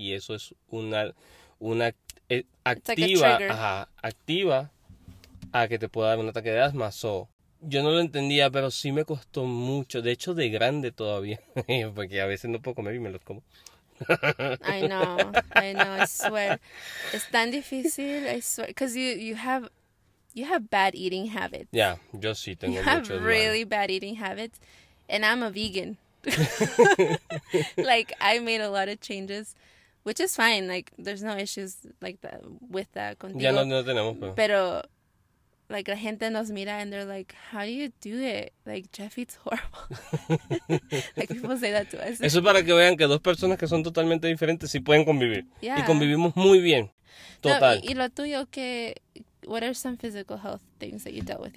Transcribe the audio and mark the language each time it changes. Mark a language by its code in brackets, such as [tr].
[es] Y eso es una activa, [en] like [es] ajá, activa a que te pueda dar un ataque de asma. So, yo no lo entendía, pero sí me costó mucho. De hecho, de grande todavía, porque a veces no puedo comer y me los como. [en] I know. I swear, it's [es] tan difícil. [en] I swear, because you have bad eating habits. [es] Yeah, yo sí tengo [en] you have [es] muchos [en] really [es] mal. [en] Bad eating habits, and I'm a vegan. Like, I made a lot of changes, which is fine. Like, there's no issues like that with that. [es] Contigo. Ya no tenemos. [en] Pero like, [es] la gente nos mira [en] and they're like, how do you do it? Like, Jeff eats horrible. Like, people say that to us. [es] Eso es para que vean que dos personas que son totalmente diferentes sí pueden convivir. [en] Yeah. [es] Y convivimos muy bien. Total. No, y lo tuyo, que, [en] what are some physical health things that you dealt with?